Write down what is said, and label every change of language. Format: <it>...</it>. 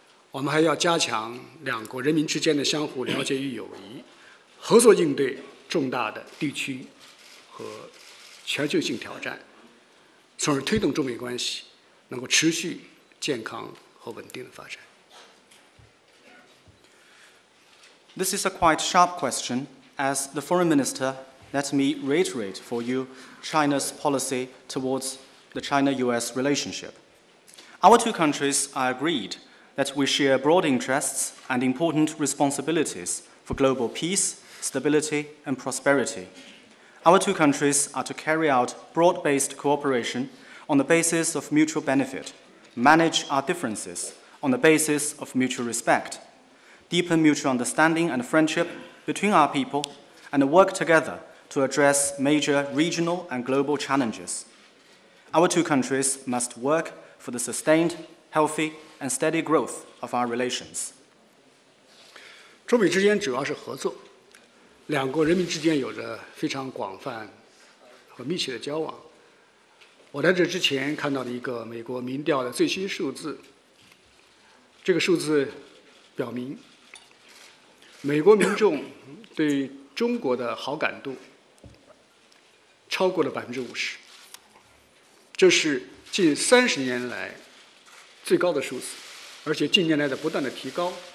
<zh>我们还要加强两国人民之间的相互了解与友谊，合作应对重大的地区和全球性挑战，从而推动中美关系能够持续健康和稳定的发展。</zh> <en>This is a quite sharp question. As the foreign minister, let me reiterate for you China's policy towards the China-US relationship. Our two countries are agreed that we share broad interests and important responsibilities for global peace, stability, and prosperity. Our two countries are to carry out broad-based cooperation on the basis of mutual benefit, manage our differences on the basis of mutual respect, deepen mutual understanding and friendship between our people, and work together to address major regional and global challenges. Our two countries must work for the sustained, healthy, and steady growth of our relations.</en> <zh>中美之间主要是合作。两国人民之间有着非常广泛和密切的交往。我在这之前看到了一个美国民调的最新数字，这个数字表明美国民众对中国的好感度超过了50%，这是近30年来最高的数字，而且近年来的不断的提高。</zh>